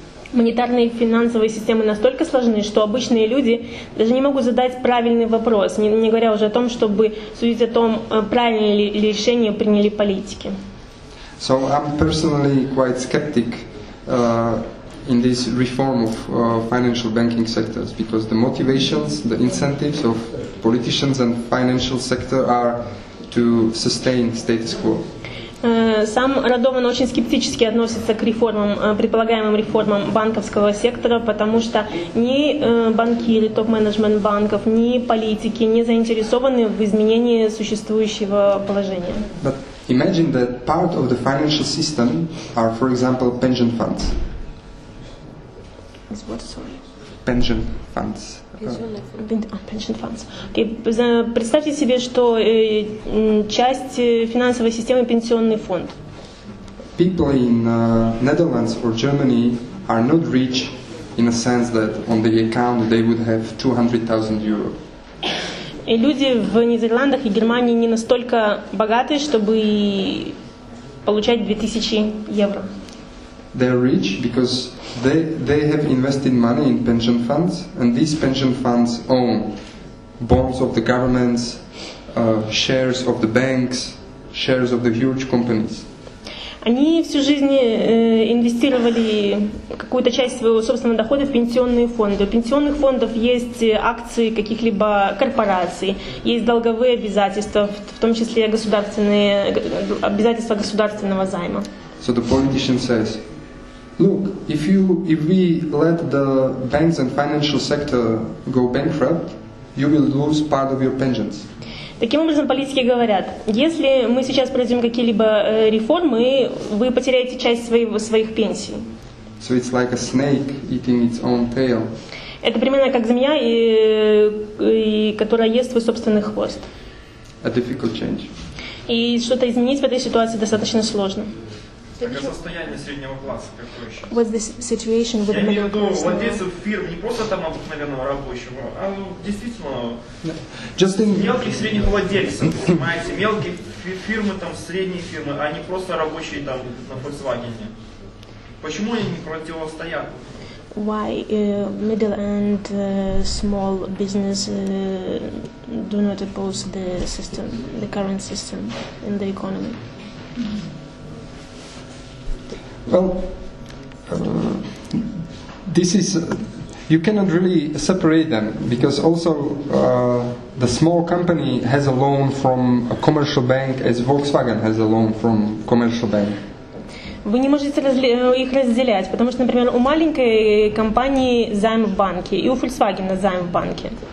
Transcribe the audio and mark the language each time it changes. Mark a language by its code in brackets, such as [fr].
[ru] Монетарные и финансовые системы настолько сложны, что обычные люди даже не могут задать правильный вопрос, не говоря уже о том, чтобы судить о том, правильное ли решение приняли политики. [en] So I'm personally quite skeptic in this reform of financial banking sectors, because the motivations, the incentives of politicians and financial sector are to sustain status quo. [ru] Сам Радован очень скептически относится к реформам, предполагаемым реформам банковского сектора, потому что ни банкиры, топ-менеджмент банков, ни политики не заинтересованы в изменении существующего положения. [en] But imagine that part of the financial system are, for example, pension funds. What, sorry? Pension funds. Pension funds. Okay. [ru] Представьте себе, что часть финансовой системы – пенсионный фонд. [en] People in Netherlands or Germany are not rich in a sense that on the account they would have 200,000 euro. [ru] И люди в Нидерландах и Германии не настолько богаты, чтобы получать 2000 евро. [en] They are rich because they have invested money in pension funds, and these pension funds own bonds of the governments, shares of the banks, shares of the huge companies. [ru] Они всю жизнь инвестировали какую-то часть своего собственного дохода в пенсионные фонды. У пенсионных фондов есть акции каких-либо корпораций, есть долговые обязательства, в том числе государственные обязательства государственного займа. [en] So the politician says, look, if we let the banks and financial sector go bankrupt, you will lose part of your pensions. [ru] Таким образом, политики говорят, если мы сейчас проведем какие-либо реформы, вы потеряете часть своих пенсий. [en] So it's like a snake eating its own tail. [ru] Это примерно как змея, которая ест свой собственный хвост. [en] A difficult change. [ru] И что-то изменить в этой ситуации достаточно сложно. [en] What's the situation with the middle class? [ru] Я имею в виду владельцев фирм, не просто там обыкновенного рабочего, а действительно мелких средних владельцев, понимаете, мелкие фирмы, там средние фирмы, а не просто рабочие там на Volkswagen. Почему они не противостоят? [en] Why middle and small business do not oppose the system, the current system in the economy? Well, this is you cannot really separate them, because also the small company has a loan from a commercial bank, as Volkswagen has a loan from commercial bank. [ru] Вы не можете их разделять, потому что, например, у маленькой компании займ в банке и у Volkswagen займ в банке.